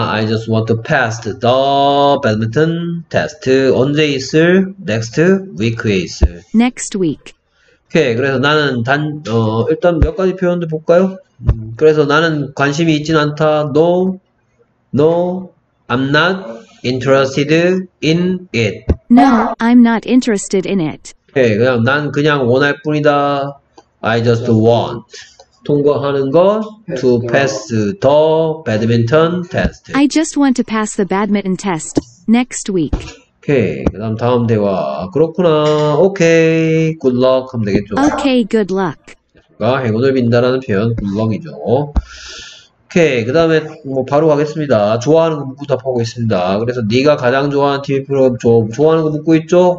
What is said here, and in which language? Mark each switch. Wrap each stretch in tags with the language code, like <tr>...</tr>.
<en>I just want to pass the badminton test.</en> <ko>언제 있을?</ko> <en>Next week</en> <ko>에 있을.</ko> <en>Next week.</en> <ko>오케이. 그래서 나는 일단 몇 가지 표현도 볼까요? 그래서 나는 관심이 있진 않다.</ko> <en>No. No. I'm not interested in it. No. I'm not interested in it.</en> <ko>오케이. 그냥 난 그냥 원할 뿐이다.</ko> <en>I just want.</en> <ko>통과하는 거</ko> <en>to pass the badminton test. I just want to pass the badminton test next week.</en> <ko>오케이, 그다음 다음 대화. 그렇구나. 오케이,</ko> <en>good luck</en> <ko>하면 되겠죠.</ko> <en>Okay, good luck.</en> <ko>아, 행운을 빈다라는 표현,</ko> <en>good luck</en> <ko>이죠. 오케이, 그다음에 뭐 바로 가겠습니다. 좋아하는 거 묻고 답하고 있습니다. 그래서 네가 가장 좋아하는 TV 프로그램 좋아하는 거 묻고 있죠.</ko>